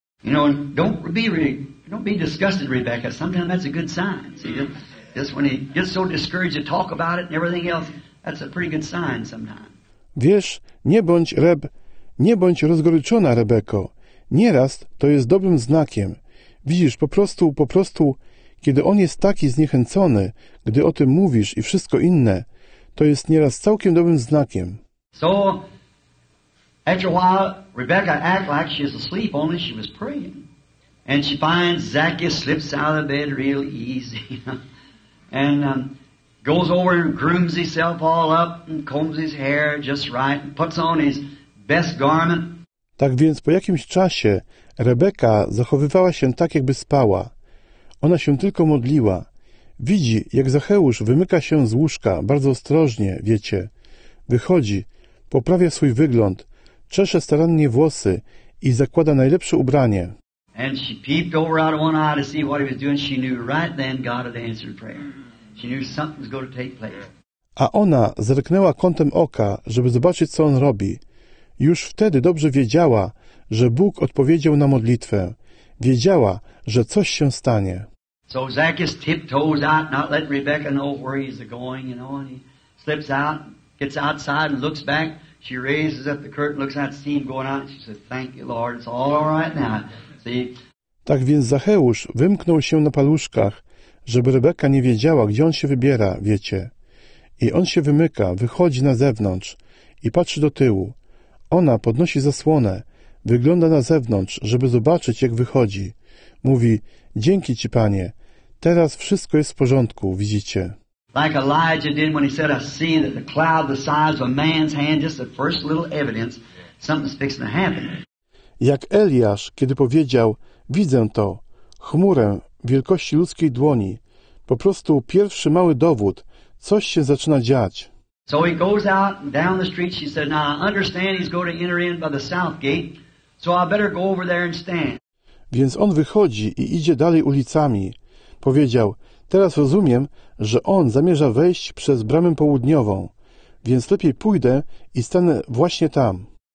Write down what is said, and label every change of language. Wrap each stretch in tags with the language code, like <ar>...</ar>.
<en>You know, don't be disgusted, Rebecca. Sometimes that's a good sign, see you? Just when he gets so discouraged to talk about it and everything else, that's a pretty good sign sometimes.</en> <pl>Wiesz, nie bądź rozgoryczona, Rebeko. Nieraz to jest dobrym znakiem. Widzisz, po prostu, kiedy on jest taki zniechęcony, gdy o tym mówisz i wszystko inne, to jest nieraz całkiem dobrym znakiem.</pl> <en>So, after a while, Rebecca acts like she is asleep, only she was praying. And she finds Zacchaeus slips out of the bed real easy, and goes over and grooms himself all up and combs his hair just right and puts on his best garment.</en> <pl>Tak więc po jakimś czasie Rebeka zachowywała się tak, jakby spała. Ona się tylko modliła. Widzi, jak Zacheusz wymyka się z łóżka, bardzo ostrożnie, wiecie. Wychodzi, poprawia swój wygląd, czesze starannie włosy i zakłada najlepsze ubranie.</pl> <en>And she peeped over out of one eye to see what he was doing. She knew right then God had answered prayer. She knew something was going to take place.</en> <pl>A ona zerknęła kątem oka, żeby zobaczyć, co on robi. Już wtedy dobrze wiedziała, że Bóg odpowiedział na modlitwę. Wiedziała, że coś się stanie.</pl> <en>So Zacchaeus tiptoes out, not letting Rebecca know where he's going, you know, and he slips out, gets outside and looks back. She raises up the curtain, looks out, see him going out, and she says, thank you, Lord, it's all right now.</en> <pl>Tak więc Zacheusz wymknął się na paluszkach, żeby Rebeka nie wiedziała, gdzie on się wybiera, wiecie. I on się wymyka, wychodzi na zewnątrz i patrzy do tyłu. Ona podnosi zasłonę, wygląda na zewnątrz, żeby zobaczyć, jak wychodzi. Mówi, dzięki ci, panie, teraz wszystko jest w porządku, widzicie.</pl> <en>Like Elijah did when he said, I see that the cloud the size of a man's hand, just the first little evidence, something's fixing to happen.</en> <pl>Jak Eliasz, kiedy powiedział, widzę to, chmurę wielkości ludzkiej dłoni, po prostu pierwszy mały dowód, coś się zaczyna dziać.</pl> <en>So he goes out down the street, she said, now I understand he's going to enter in by the south gate, so I better go over there and stand.</en> <pl>Więc on wychodzi i idzie dalej ulicami. Powiedział, teraz rozumiem, że on zamierza wejść przez bramę południową, więc lepiej pójdę i stanę właśnie tam.</pl>